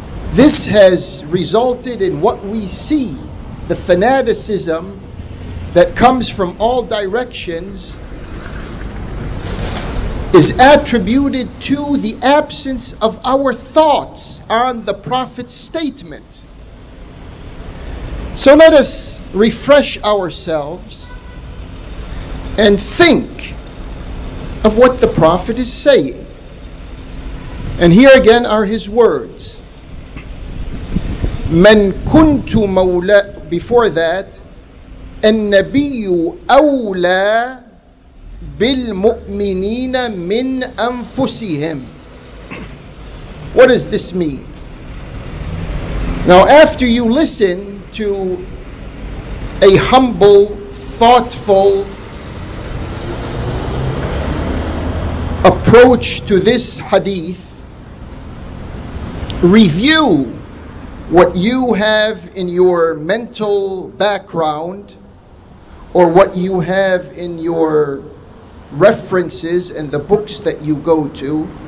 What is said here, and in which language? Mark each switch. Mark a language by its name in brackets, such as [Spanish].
[English] This has resulted in what we see, the fanaticism that comes from all directions is attributed to the absence of our thoughts on the Prophet's statement. So let us refresh ourselves and think of what the Prophet is saying. And here again are his words. [Arabic] من كنت مولى, [English] before that, [Arabic] النبي أولى بالمؤمنين من أنفسهم. [English] What does this mean? Now, after you listen to a humble, thoughtful approach to this hadith, review what you have in your mental background or what you have in your references and the books that you go to.